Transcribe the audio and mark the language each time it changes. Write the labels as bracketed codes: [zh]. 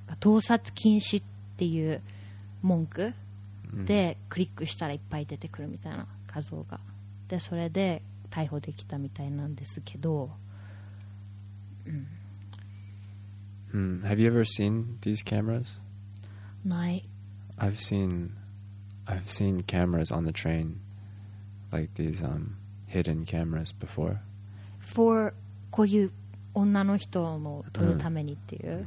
[ja] 盗撮禁止っていう文句でクリックしたらいっぱい出てくるみたいな画像が、でそれで逮捕できたみたいなんですけど、うん、 [en] Have you ever seen these cameras? [ja] ない。 [en] I've seen cameras on the train, like these hidden cameras before. [ja] For こういう女の人の撮るためにっていう、うん、